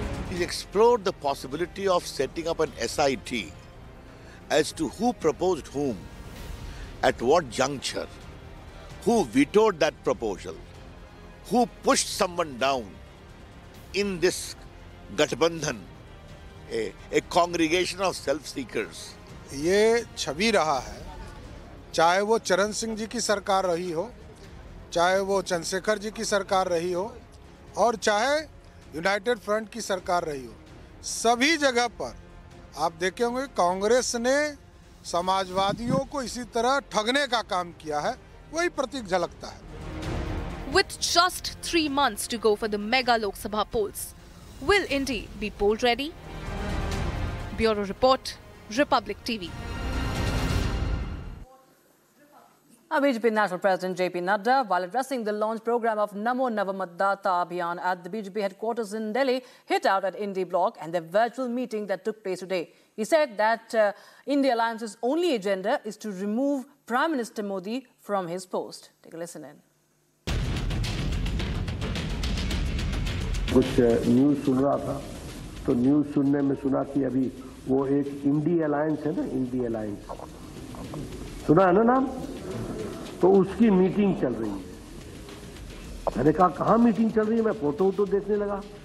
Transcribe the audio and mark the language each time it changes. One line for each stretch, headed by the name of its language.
English: He explored the possibility of setting up an SIT as to who proposed whom, at what juncture, who vetoed that proposal, who pushed someone down in this gathbandhan, a congregation of self-seekers.
Hindi: ये छवि रहा है, चाहे वो चरण सिंह जी की सरकार रही हो, चाहे वो चंद्रशेखर जी की सरकार रही हो, और चाहे यूनाइटेड फ्रंट की सरकार रही हो, सभी जगह पर आप देखे होंगे कांग्रेस ने समाजवादियों को इसी तरह ठगने का काम किया है, वही प्रतीक झलकता है।
English: With just 3 months to go for the mega Lok Sabha polls, will Indy be poll ready? Bureau report, Republic TV. BJP National President J.P. Nadda, while addressing the launch program of Namo Navamatdata Abhiyan at the BJP headquarters in Delhi, hit out at Indie Bloc and the virtual meeting that took place today. He said that Indie Alliance's only agenda is to remove Prime Minister Modi from his post. Take a listen in.
Hindi: कुछ news सुन रहा था, तो news सुनने में सुना कि अभी वो एक Indie Alliance है ना, Indie Alliance. सुना है ना नाम? तो उसकी मीटिंग चल रही है. मैंने कहा कहाँ मीटिंग चल रही है, मैं फोटो तो देखने लगा.